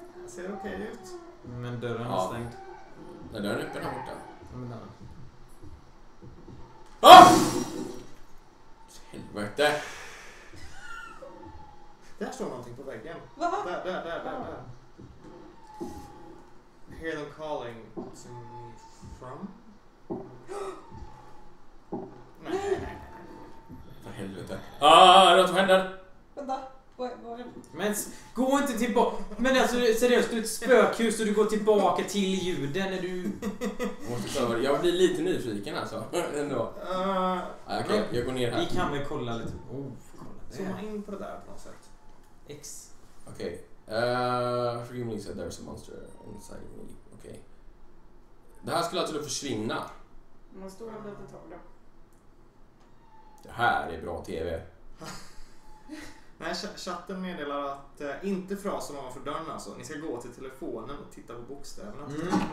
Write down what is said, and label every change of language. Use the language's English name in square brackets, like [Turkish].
[Swedish] Ser det okej ut? Men dörren är stängd. Nej, dörren är öppen här borta. Ja, men den. Ah! Helvete! Där står någonting på väggen. Va? Där. [English] Hear them calling to me from? [Swedish] Nej. För helvete. Ah, något som händer! Vänta. Var. Men gå inte tillbaka. Men alltså seriöst, du är ett spökhus och du går tillbaka till ljuden när du... Jag blir lite nyfiken alltså. Ändå. Okej, jag går ner här. Vi kan väl kolla lite. Oh, kolla. Zooma in på det där på något sätt. X. Okej. [English] Frimley said there's a monster inside me. [Swedish] Okej. Det här skulle alltså då försvinna. Man står av lite tag då. Det här är bra tv. Nej, chatten meddelar att inte frasen ovanför dörren alltså. Ni ska gå till telefonen och titta på bokstäverna. Mm.